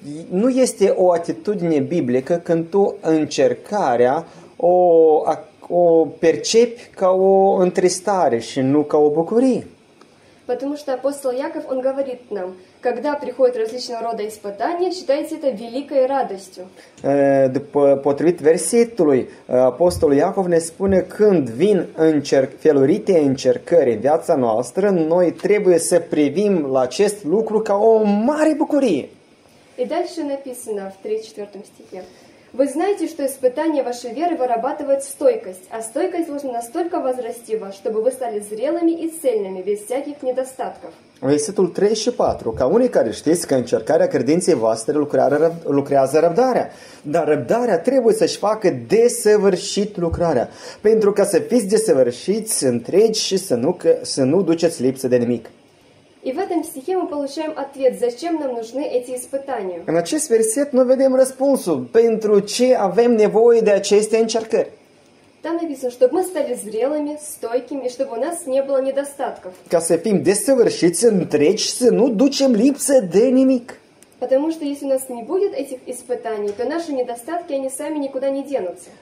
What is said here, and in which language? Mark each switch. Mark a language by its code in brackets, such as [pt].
[ro] Nu este o atitudine biblică când tu încercarea o percepi ca o întristare și nu ca o bucurie. [ru] Потому что апостол Яков, он говорит нам, когда приходят различного рода испытания, считайте это великой радостью. [ro] Potrivit versetului, apostolul Iacov ne spune, când vin felurite încercări în viața noastră, noi trebuie să privim la acest lucru ca o mare bucurie. [ru] И дальше написано в 3-4 стихе. Вы знаете, что испытания вашей веры вырабатывают стойкость, а стойкость должна настолько возрасти вас, чтобы вы стали зрелыми и цельными, без всяких недостатков. [ro] Versetul 3 și 4. Ca unii care știți că încercarea credinței voastre lucrează răbdarea, dar răbdarea trebuie să-și facă desăvârșit lucrarea, pentru ca să fiți desăvârșiți întregi și să nu duceți lipsă de nimic. [ru] И в этом стихе мы получаем ответ, зачем нам нужны эти испытания. [ro] În acest verset noi vedem răspunsul, pentru ce avem nevoie de aceste încercări. [ru] Там написано, чтобы мы стали зрелыми, стойкими, чтобы у нас не было недостатков. [ro] Ca să fim desăvârșiți, întregi, să nu ducem lipsă de nimic. [ru] Потому что если у нас не будет этих испытаний, то наши недостатки, они сами никуда не денутся.